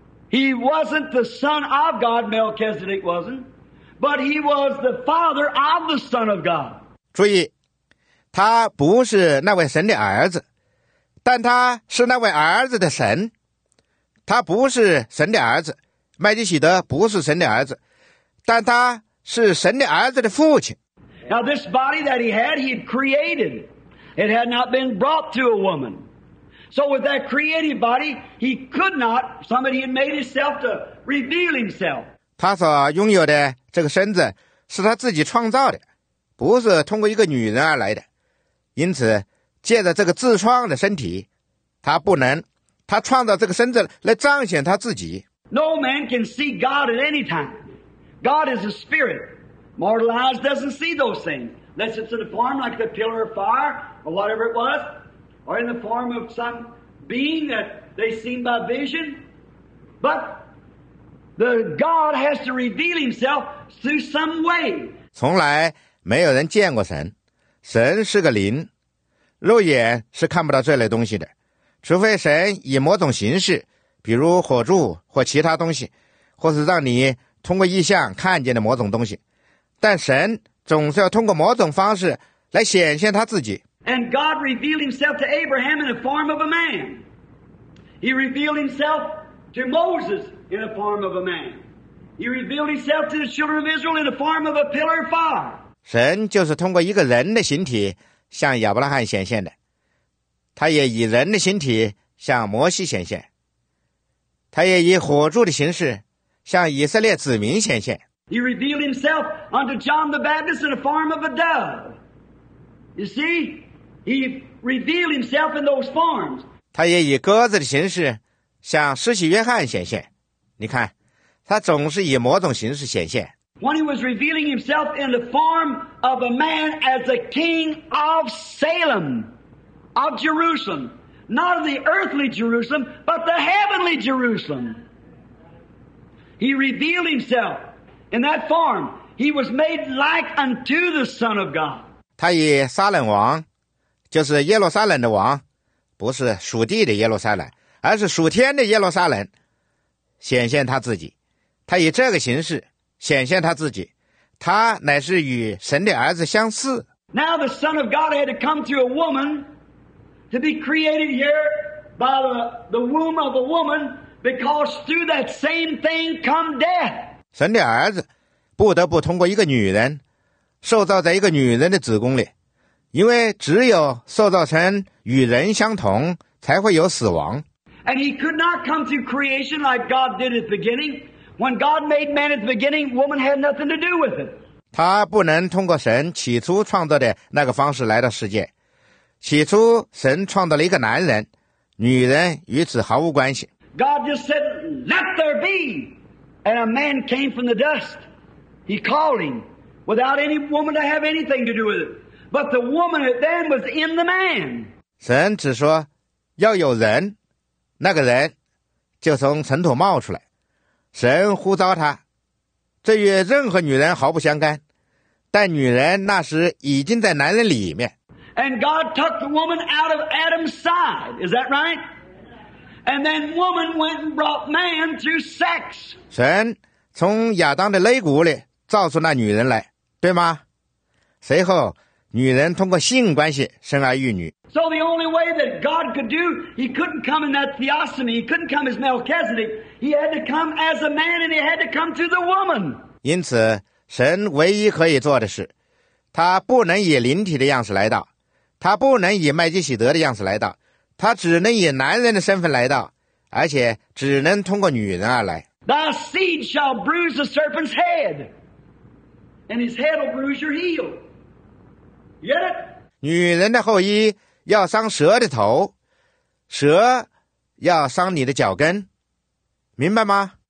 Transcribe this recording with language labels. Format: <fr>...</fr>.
<en>He wasn't the Son of God, Melchizedek wasn't, but he was the Father of the Son of God.</en> <zh>注意，他不是那位神的儿子，但他是那位儿子的神。他不是神的儿子，麦基洗德不是神的儿子，但他是神的儿子的父亲。</zh> <en>Now this body that he had created. It had not been brought to a woman. So with that created body, he could not, somebody had made himself to reveal himself.</en> <zh>他所拥有的这个身子是他自己创造的，不是通过一个女人而来的。因此，借着这个自创的身体，他不能，他创造这个身子来彰显他自己。</zh> <en>No man can see God at any time. God is a spirit. Mortal eyes doesn't see those things, unless it's in a form like the pillar of fire, or whatever it was, or in the form of some being that they seen by vision. But the God has to reveal himself through some way.</en> <zh>从来没有人见过神，神是个灵，肉眼是看不到这类东西的，除非神以某种形式，比如火柱或其他东西，或是让你通过异象看见的某种东西。但神总是要通过某种方式来显现他自己。</zh> <en>And God revealed himself to Abraham in the form of a man. He revealed himself to Moses in the form of a man. He revealed himself to the children of Israel in the form of a pillar of fire.</en> <zh>神就是通过一个人的形体向亚伯拉罕显现的。他也以人的形体向摩西显现。他也以火柱的形式向以色列子民显现。</zh> <en>He revealed himself unto John the Baptist in the form of a dove. You see, he revealed himself in those forms.</en> <zh>他也以鸽子的形式向施洗约翰显现。你看，他总是以某种形式显现。</zh> <en>When he was revealing himself in the form of a man as a king of Salem, of Jerusalem, not of the earthly Jerusalem, but the heavenly Jerusalem. He revealed himself in that form. He was made like unto the Son of God.</en> <zh>他以撒冷王，就是耶路撒冷的王，不是属地的耶路撒冷，而是属天的耶路撒冷，显现他自己。他以这个形式显现他自己，他乃是与神的儿子相似。</zh> <en>Now the Son of God had to come through a woman to be created here by the womb of a woman, because through that same thing come death.</en> <zh>神的儿子不得不通过一个女人受造在一个女人的子宫里，因为只有受造成与人相同才会有死亡。</zh> <en>And he could not come through creation like God did at the beginning. When God made man at the beginning, woman had nothing to do with it.</en> <zh>他不能通过神起初创造的那个方式来到世界。起初神创造了一个男人，女人与此毫无关系。</zh> <en>God just said, "Let there be," and a man came from the dust. He called him without any woman to have anything to do with it. But the woman then was in the man.</en> <zh>神只说要有人，那个人就从尘土冒出来。神呼召他，这与任何女人毫不相干，但女人那时已经在男人里面。</zh> <en>And God took the woman out of Adam's side, is that right? And then woman went and brought man through sex.</en> <zh>神从亚当的肋骨里造出那女人来，对吗？随后女人通过性关系生儿育女。</zh> <en>So the only way that God could do, he couldn't come in that theosomy, he couldn't come as Melchizedek, he had to come as a man and he had to come to the woman.</en> <zh>因此神唯一可以做的是，他不能以灵体的样式来到，他不能以麦基洗德的样式来到，他只能以男人的身份来到，而且只能通过女人而来。</zh> <en>The seed shall bruise the serpent's head, and his head will bruise your heel. Get it?</en> <zh>女人的后裔要伤蛇的头，蛇要伤你的脚跟，明白吗？</zh>